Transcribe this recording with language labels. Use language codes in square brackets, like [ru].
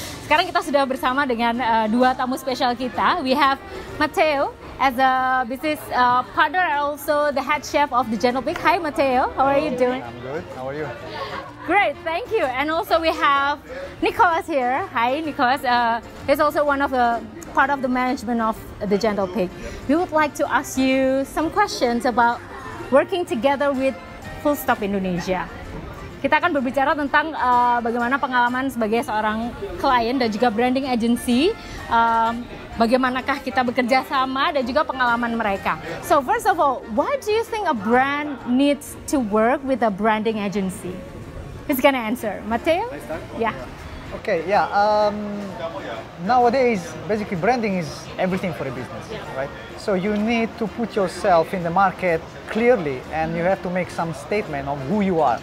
[id] Sekarang kita sudah bersama dengan dua tamu spesial kita. [en] We have Matteo as a business partner and also the head chef of the Gentlepig. Hi Matteo, how are you doing? I'm good, how are you? Great, thank you. And also we have Nicholas here. Hi Nicholas, he's also one of the part of the management of the Gentlepig. We would like to ask you some questions about working together with Full Stop Indonesia. [id] Kita akan berbicara tentang bagaimana pengalaman sebagai seorang klien dan juga branding agency, bagaimanakah kita bekerja sama dan juga pengalaman mereka. [en] So first of all, why do you think a brand needs to work with a branding agency? Who's gonna answer? Matteo? Yeah. Okay, yeah. Nowadays, basically branding is everything for a business, right? So you need to put yourself in the market clearly and you have to make some statement of who you are.